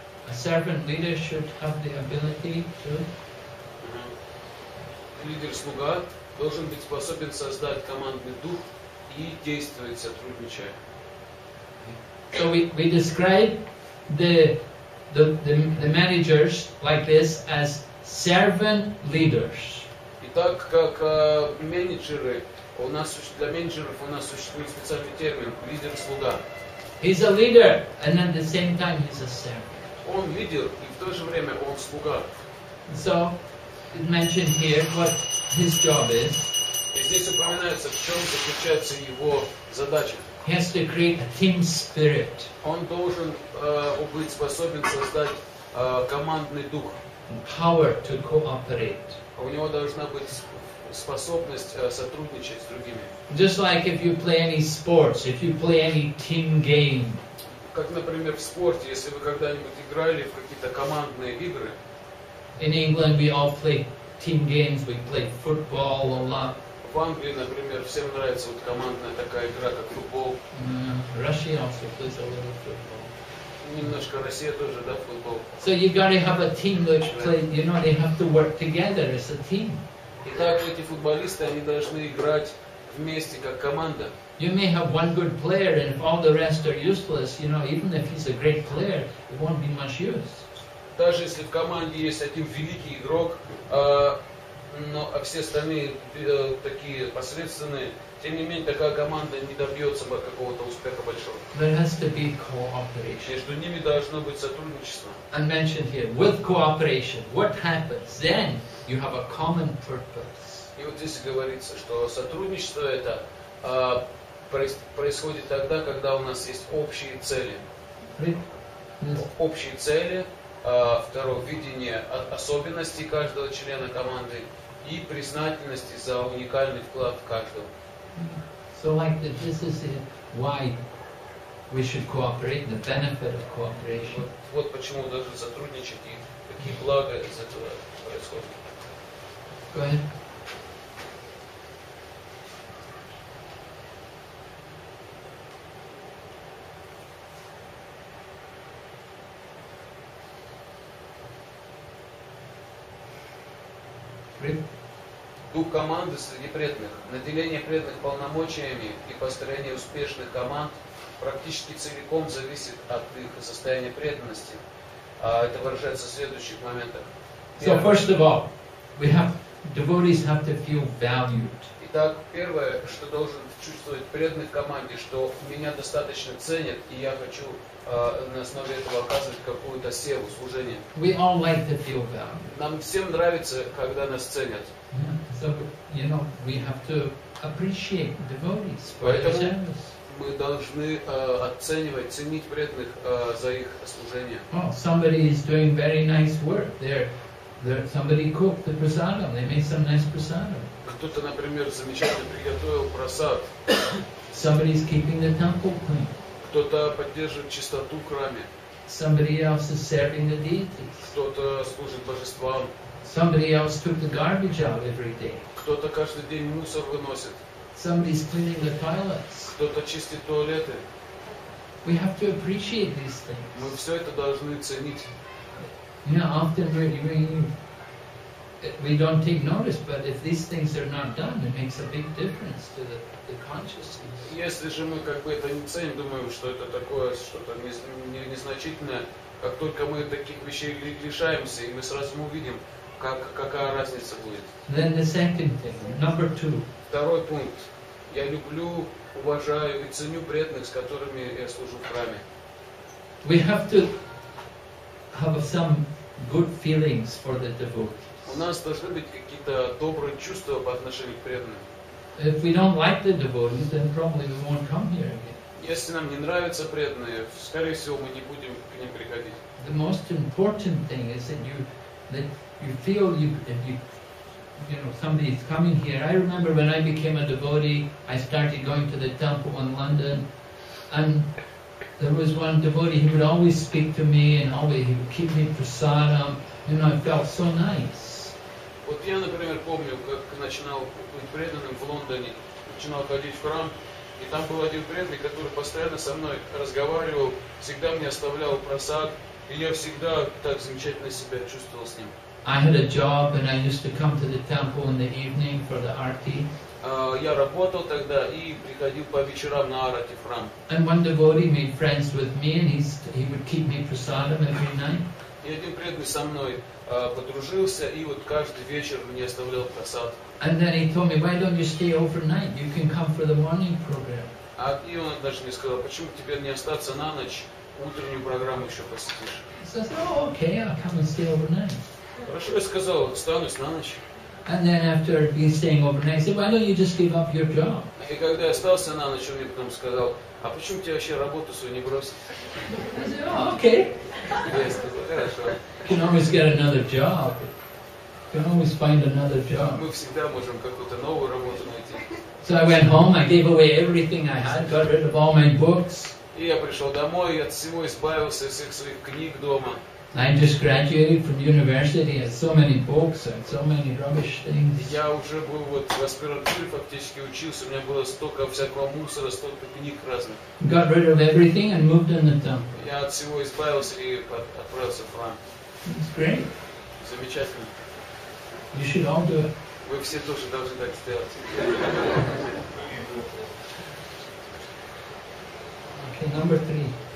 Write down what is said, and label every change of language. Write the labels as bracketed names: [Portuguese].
[English] A servant leader should have the ability to. [Russian] Лидер слуга должен быть способен создать командный дух и действовать сотрудничая. [English] So we describe the managers like this as servant leaders. [Russian] Итак, как менеджеры, У нас для менеджеров у нас существует специальный термин лидер-слуга. [English] He's a leader and at the same time he's a servant. [Russian] Он лидер и в то же время он слуга. [English] So it mentioned here what his job is. [Russian] И здесь упоминается, в чем заключается его задача. [English] He has to create a team spirit. [Russian] Он должен быть способен создать командный дух. [English] Power to cooperate. [Russian] У него должна быть способность сотрудничать с другими. [English] Just like if you play any sports, if you play any team game. [Russian] Как, например, в спорте, если вы когда-нибудь играли в какие-то командные игры. [English] In England we all play team games, we play football a lot. [Russian] В Англии, например, всем нравится вот командная такая игра, как футбол. [English] Russia also plays a little football. [Russian] Немножко Россия тоже, да, футбол. [English] So you gotta have a team which play, you know, they have to work together as a team. [Russian] И также эти футболисты, они должны играть вместе как команда. [English] You may have one good player, and if all the rest are useless, you know, even if he's a great player, it won't be much use. [Russian] Даже если в команде есть один великий игрок, но а все остальные такие посредственные, тем не менее такая команда не добьется бы какого-то успеха большого. [English] There has to be cooperation. [Russian] Между ними должно быть сотрудничество. [English] I mentioned here with cooperation, what happens then? You have a common purpose. [Russian] И вот здесь говорится, что сотрудничество это происходит тогда, когда у нас есть общие цели. Общие цели, второе, видение особенностей каждого члена команды и признательности за уникальный вклад каждого. [English] So like that, this is why we should cooperate, the benefit of cooperation. [Russian] Вот почему должны сотрудничать и какие блага из этого происходят. [English] Go ahead. [Russian] Дух команды среди преданных, наделение преданных полномочиями и построение успешных команд практически целиком зависит от их состояния преданности. Это выражается в следующих моментах. [English] So first of all, we have devotees have to feel valued. [Russian] Итак, первое, что должен чувствовать преданный в команде, что меня достаточно ценят и я хочу на основе этого оказывать какую-то севу, служение. [English] We all like to feel valued. [Russian] Нам всем нравится, когда нас ценят. [English] So, you know, we have to appreciate devotees for their service. [Russian] Мы должны оценивать, ценить преданных за их служение. [English] Oh, somebody is doing very nice work. There, somebody cooked the prasadam. They made some nice prasadam. [Russian] Кто-то, например, замечательно приготовил прасад. [English] Somebody is keeping the temple clean. [Russian] Кто-то поддерживает чистоту в храме. [English] Somebody else is serving the deities. [Russian] Кто-то служит божествам. [English] Somebody else took the garbage out every day. [Russian] Кто-то каждый день мусор выносит. [English] Somebody's cleaning the toilets. [Russian] Кто-то чистит туалеты. [English] We have to appreciate these things. [Russian] Мы все это должны ценить. [English] You know, often we don't take notice, but if these things are not done, it makes a big difference to the consciousness. [Russian] Если же мы как бы это не ценим, думаем, что это такое что-то незначительное, как только мы таких вещей лишаемся, и мы сразу увидим. Какая разница будет? [English] Then the second thing, number two. [Russian] Второй пункт. Я люблю, уважаю и ценю преданных, с которыми я служу в храме. [English] We have to have some good feelings for the devotees. [Russian] У нас должны быть какие-то добрые чувства по отношению к преданным. [English] If we don't like the devotees, then probably we won't come here again. [Russian] Если нам не нравятся преданные, скорее всего, мы не будем к ним приходить. [English] The most important thing is that you feel you know somebody is coming here. I remember when I became a devotee, I started going to the temple in London, and there was one devotee. He would always speak to me and always he would keep me prasadam. You know, I felt so nice. [Russian] Вот я, например, помню, как начинал быть преданным в Лондоне, начинал ходить в храм, и там был один преданный, который постоянно со мной разговаривал, всегда мне оставлял прасад, и я всегда так замечательно себя чувствовал с ним. [English] I had a job and I used to come to the temple in the evening for the arati. [Russian] Я работал тогда и приходил по вечерам на арати в храм. [English] And one devotee made friends with me and he would keep me prasadam every night. [Russian] И один преданный со мной подружился, и вот каждый вечер мне оставлял просад. [English] And then he told me, why don't you stay overnight? You can come for the morning program. [Russian] А и он даже мне сказал, почему тебе не остаться на ночь, утреннюю программу еще посетишь? [English] He says, oh, okay, I'll come and stay overnight. [Russian] Хорошо, я сказал, останусь на ночь. [English] And then after being staying overnight, he said, why don't you just give up your job? [Russian] И когда я остался на ночь, он мне потом сказал, а почему тебе вообще работу свою не бросить? [English] I said, oh, okay. Yes, [Russian] хорошо. [English] You can always get another job. You can always find another job. [Russian] Мы всегда можем какую-то новую работу найти. [English] So I went home, I gave away everything I had, got rid of all my books. [Russian] И я пришел домой, от всего избавился, всех своих книг дома. [English] I just graduated from university, had so many books and so many rubbish things. [Russian] Я уже был вот в аспирантуре фактически учился, у меня было столько всякого мусора, столько книг разных. [English] Got rid of everything and moved in the town. [Russian] Я от всего избавился и отправился в Ран. [English] It's great. [Russian] Замечательно. [English] You should all do it. [Russian] Вы все тоже должны так сделать. [English] Okay, number three.